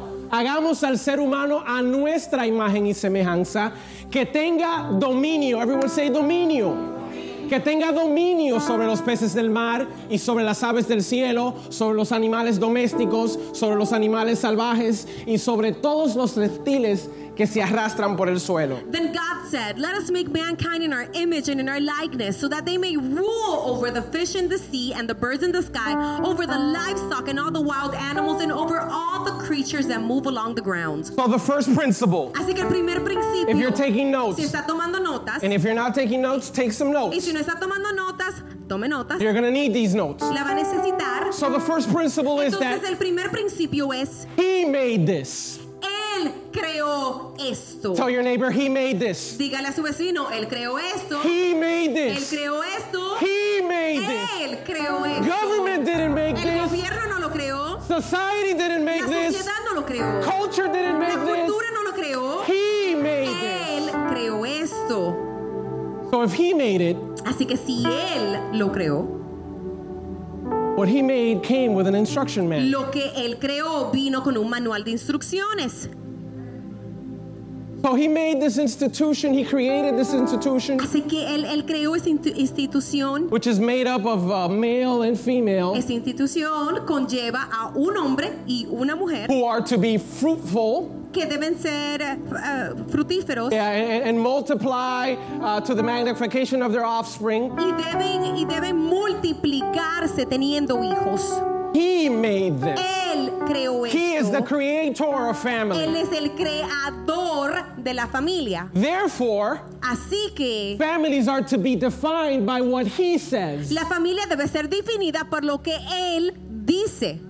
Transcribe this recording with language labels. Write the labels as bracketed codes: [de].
[es] Hagamos al ser humano a nuestra imagen y semejanza, que tenga dominio. [en] Everyone say [es] dominio. Que tenga dominio sobre los peces del mar y sobre las aves del cielo, sobre los animales domésticos, sobre los animales salvajes y sobre todos los reptiles que se arrastran por el suelo. [en] Then God said, let us make mankind in our image and in our likeness, so that they may rule over the fish in the sea and the birds in the sky, over the livestock and all the wild animals, and over all the creatures that move along the ground. So the first principle. [es] Así que el primer principio. [en] If you're taking notes. [es] Si está tomando notas. [en] And if you're not taking notes, take some notes. [es] Y si no está tomando notas, tome notas. [en] You're gonna need these notes. [es] La va a necesitar. [en] So the first principle [es] entonces, [en] is that. [es] Entonces el primer principio es. [en] He made this. [es] Él creó esto. [en] Tell your neighbor, he made this. [es] Dígale a su vecino, él creó esto. [en] He made this. [es] Él creó esto. [en] He made [es] él [en] this. [es] Él creó esto. [en] Government didn't make [es] el [en] this. [es] El gobierno no lo creó. [en] Society didn't make this. [es] La sociedad no lo creó. [en] Culture didn't make this. [es] La cultura no lo creó. [en] He made [es] él [en] this. [es] Él creó esto. [en] So if he made it. [es] Así que si él lo creó. [en] What he made came with an instruction manual. [es] Lo que él creó vino con un manual de instrucciones. [en] So he made this institution, he created this institution. [es] Así que él creó esa institución. [en] Which is made up of male and female. [es] Esa institución conlleva a un hombre y una mujer. [en] Who are to be fruitful. [es] Que deben ser fructíferos. [en] Yeah, and multiply to the magnification of their offspring. [es] Y deben multiplicarse teniendo hijos. [en] He made this. [es] Él creó esto. [en] He is the creator of family. [es] Él es el creador de la familia. [en] Therefore, [es] así que, [en] families are to be defined by what he says. [es] La familia debe ser definida por lo que él dice.